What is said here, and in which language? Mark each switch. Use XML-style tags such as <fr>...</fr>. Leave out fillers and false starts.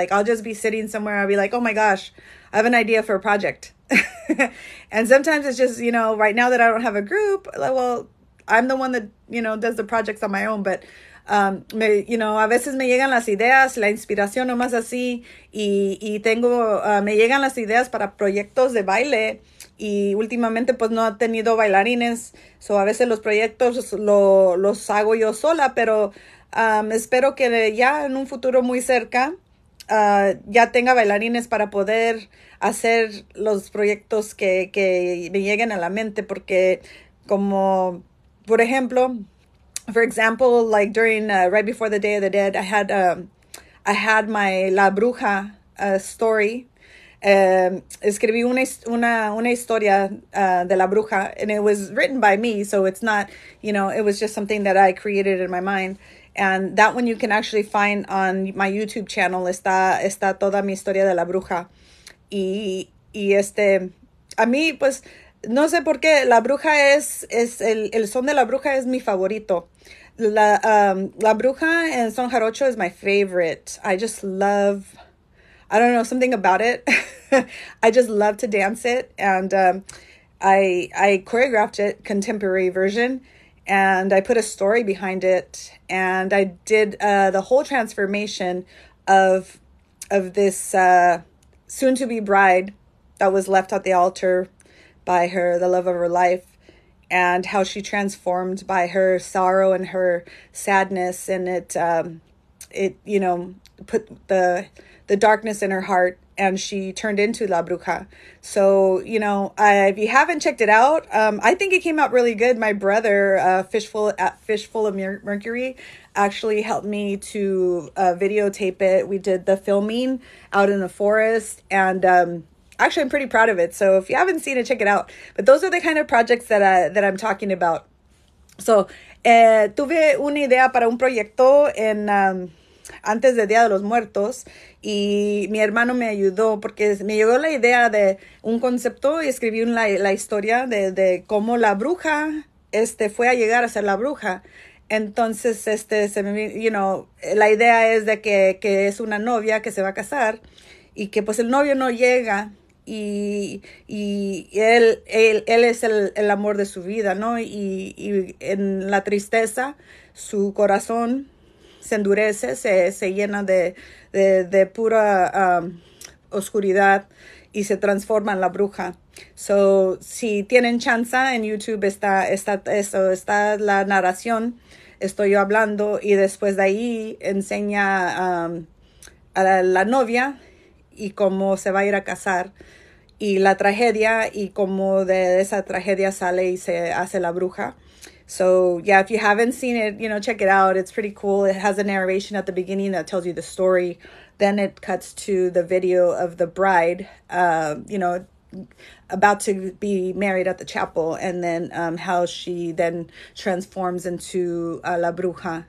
<en>Like, I'll just be sitting somewhere, I'll be like, oh my gosh, I have an idea for a project. And sometimes it's just, right now that I don't have a group, well, I'm the one that, does the projects on my own.</en> <es>But a veces me llegan las ideas, la inspiración nomás así, y tengo, me llegan las ideas para proyectos de baile, y últimamente pues no he tenido bailarines, so a veces los proyectos los hago yo sola, pero espero que ya en un futuro muy cerca ya tenga bailarines para poder hacer los proyectos que me lleguen a la mente, porque como por ejemplo.</es> <en>For example, like during right before the Day of the Dead, I had my La Bruja story.</en> <es>Escribí una historia de La Bruja,</es> <en>and it was written by me, so it's not, it was just something that I created in my mind. And that one you can actually find on my YouTube channel.</en> <es>Está toda mi historia de la bruja. Y a mí, pues, no sé por qué, la bruja es el son de la bruja es mi favorito. La bruja en Son Jarocho</es> <en>is my favorite. I just love, I don't know, something about it. I just love to dance it. And I choreographed it, contemporary version. And I put a story behind it. And I did the whole transformation of this soon-to-be bride that was left at the altar by her, the love of her life, and how she transformed by her sorrow and her sadness. And it put the darkness in her heart, and she turned into La Bruja. So, if you haven't checked it out, I think it came out really good. My brother, Fishful of Mercury, actually helped me to videotape it. We did the filming out in the forest, and actually, I'm pretty proud of it. So, if you haven't seen it, check it out. But those are the kind of projects that I'm talking about.</en> <es>So, tuve una idea para un proyecto en antes del Día de los Muertos, y mi hermano me ayudó porque me llegó la idea de un concepto y escribí la historia de cómo la bruja fue a llegar a ser la bruja. Entonces, se me, you know, la idea es de que es una novia que se va a casar y que pues el novio no llega y él es el amor de su vida, ¿no? Y en la tristeza, su corazón se endurece, se llena de pura oscuridad y se transforma en la bruja. So, si tienen chance en YouTube está la narración, estoy yo hablando y después de ahí enseña a la novia y cómo se va a ir a casar y la tragedia y cómo de esa tragedia sale y se hace la bruja.</es> <en>So, yeah, if you haven't seen it, check it out. It's pretty cool. It has a narration at the beginning that tells you the story. Then it cuts to the video of the bride, about to be married at the chapel, and then how she then transforms into La Bruja.</en>